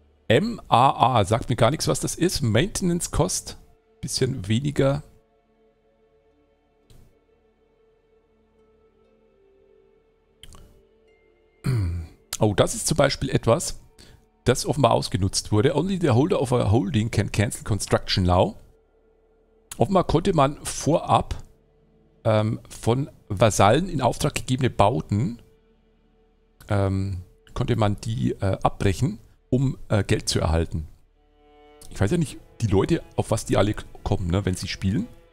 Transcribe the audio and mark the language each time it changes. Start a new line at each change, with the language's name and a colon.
German: MAA sagt mir gar nichts, was das ist. Maintenance Cost. Bisschen weniger. Oh, das ist zum Beispiel etwas, das offenbar ausgenutzt wurde.
English: Only the holder of a holding can cancel construction now.
German: Offenbar konnte man vorab von Vasallen in Auftrag gegebene Bauten konnte man die abbrechen, um Geld zu erhalten. Ich weiß ja nicht, die Leute, auf was die alle kommen, ne, wenn sie spielen.